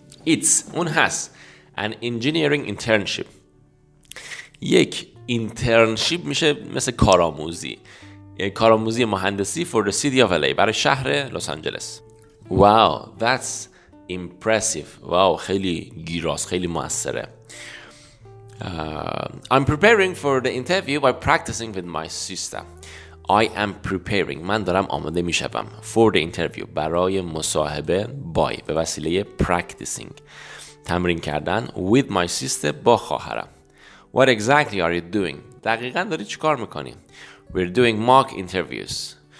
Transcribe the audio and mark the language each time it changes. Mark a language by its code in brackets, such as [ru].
[en] It's [fa] اون هست. [en] An engineering internship. [fa] یک internship میشه مثل کارآموزی. کارآموزی مهندسی [en] for the city of LA، [fa] برای شهر لس آنجلس. [en] Wow, that's impressive. [fa] Wow, خیلی گیراست، خیلی موثره. [en] I'm preparing for the interview by practicing with my sister. I am preparing. [fa] من دارم آماده میشوم [en] for the interview، [fa] برای مصاحبه، by، به وسیله practicing، تمرین کردن، [en] with my sister، [fa] با خواهرم. [en] What exactly are you doing؟ [fa] دقیقاً داری چیکار میکنی؟ [en] We're doing mock interviews.